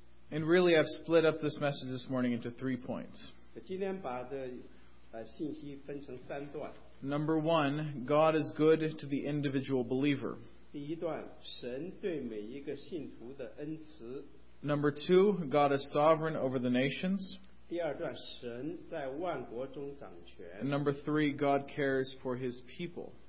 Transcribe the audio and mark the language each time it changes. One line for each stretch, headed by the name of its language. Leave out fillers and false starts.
English: And really, I've split up this message this morning into 3 points.
Chinese: 今天把这信息分成三段.
English: Number one, God is good to the individual believer.
Chinese: 第一段, 神对每一个信徒的恩慈.
English: Number two, God is sovereign over the nations.
Chinese: 第二段, 神在万国中掌权.
English: And number three, God cares for his people.